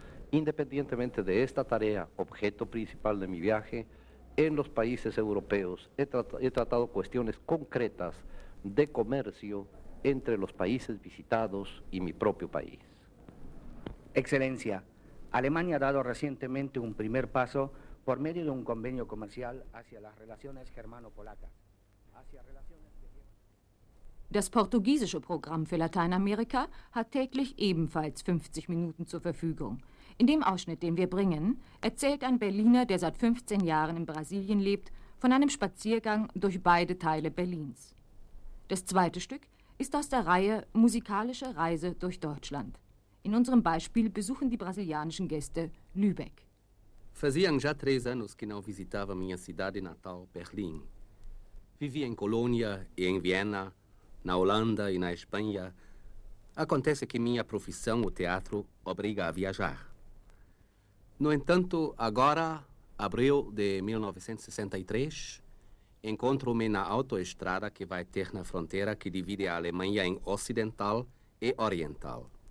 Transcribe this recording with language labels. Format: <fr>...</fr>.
<es>Independientemente de esta tarea, objeto principal de mi viaje, en los países europeos he tratado cuestiones concretas de comercio entre los países visitados y mi propio país. Excelencia, Alemania ha dado recientemente un primer paso por medio de un convenio comercial hacia las relaciones germano-polacas.</es> <de>Das portugiesische Programm für Lateinamerika hat täglich ebenfalls 50 Minuten zur Verfügung. In dem Ausschnitt, den wir bringen, erzählt ein Berliner, der seit 15 Jahren in Brasilien lebt, von einem Spaziergang durch beide Teile Berlins. Das zweite Stück ist aus der Reihe Musikalische Reise durch Deutschland. In unserem Beispiel besuchen die brasilianischen Gäste Lübeck.</de> <pt>Fazia já 3 anos que não visitava minha cidade natal, Berlim. Vivia em Colônia e em Viena, na Holanda e na Espanha. Acontece que minha profissão, o teatro, obriga a viajar. No entanto, agora, abril de 1963, encontro-me na autoestrada que vai ter na fronteira que divide a Alemanha em ocidental e oriental.</pt>